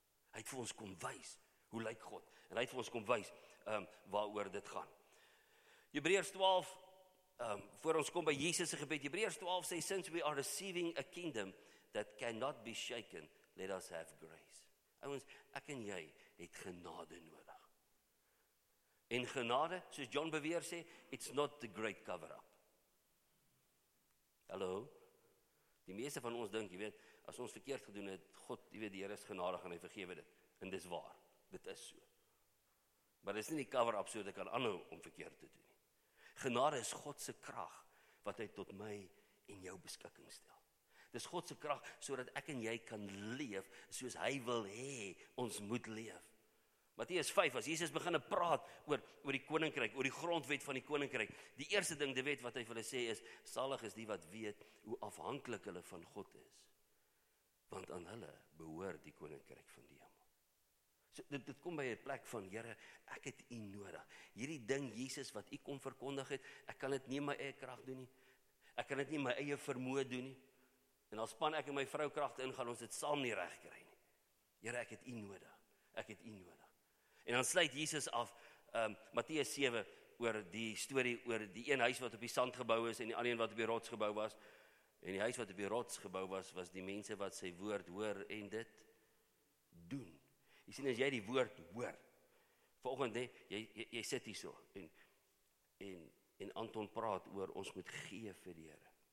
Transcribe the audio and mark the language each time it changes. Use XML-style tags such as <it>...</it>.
<af>Hy het vir ons kom wys hoe lyk God. En hy het vir ons kom wys waaroor dit gaan. Hebreërs 12, voor ons kom by Jesus se gebed. Hebreërs 12 sê,</af> <en>since we are receiving a kingdom that cannot be shaken, let us have grace.</en> <af>Ouens, ek en jy het genade nodig. En genade, soos John Bevere sê,</af> <en>it's not the great cover-up.</en> <af>Hallo? Die meeste van ons dink, jy weet, as ons verkeerd gedoen het, God, jy weet, die Here is genadig en hy vergewe dit. En dis waar, dit is so. Maar dit is nie die cover-up so dat ek kan aanhou om verkeerd te doen. Genade is God se krag, wat hy tot my en jou beskikking stel. Dis God se krag sodat ek en jy kan leef soos hy wil hê ons moet leef. Matteus 5, as Jesus begin te praat oor die koninkryk, oor die grondwet van die koninkryk, die eerste ding die wet wat hy vir hulle sê is, salig is die wat weet hoe afhanklik hulle van God is, want aan hulle behoor die koninkryk van die hemel. So dit kom by die plek van, Here, ek het u nodig. Hierdie ding, Jesus, wat u kom verkondig het, ek kan dit nie my eie krag doen nie, ek kan dit nie my eie vermoë doen nie, en al span ek en my vrou kragte in, gaan ons dit saam nie reg kry nie. Here, ek het u nodig, ek het u nodig. En dan sluit Jesus af, Matteus 7, oor die story, oor die een huis wat op die sand gebou is, en die ander een wat op die rots gebou was, en die huis wat op die rots gebou was, was die mense wat sy woord hoor, en dit doen. Jy sien, as jy die woord hoor, volgende, jy sit hier so, en Anton praat oor, ons moet gee vir die Here.</af>